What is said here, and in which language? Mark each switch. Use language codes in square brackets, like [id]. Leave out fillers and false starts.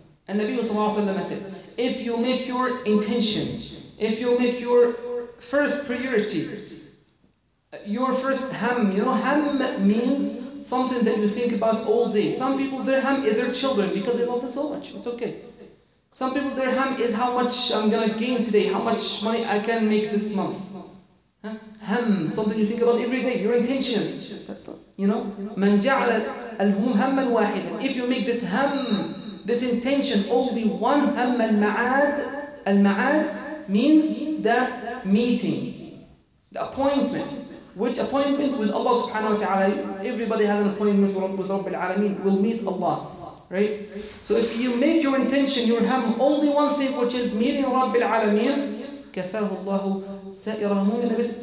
[ar] النبي صلى الله عليه وسلم [en] said, if you make your intention, if you make your first priority, your first ham, you know, ham means something that you think about all day. Some people, their ham is their children because they love them so much. It's okay. Some people, their ham is how much I'm going to gain today, how much money I can make this month. Ham, something you think about every day, your intention. You know, [ar] مَنْ جَعْلَ الْهُمْ هَمَّا وَاحِدًا. [en] If you make this ham, this intention, only one ham al-ma'ad. Al-ma'ad means the meeting, the appointment. Which appointment? With Allah subhanahu wa ta'ala. Everybody has an appointment with Rabbil Alameen. We'll meet Allah, right? So if you make your intention, your ham, only one thing, which is meeting Rabbil Alameen, [ar] كَفَاهُ اللَّهُ سَائِرَ هُمُومِهِ.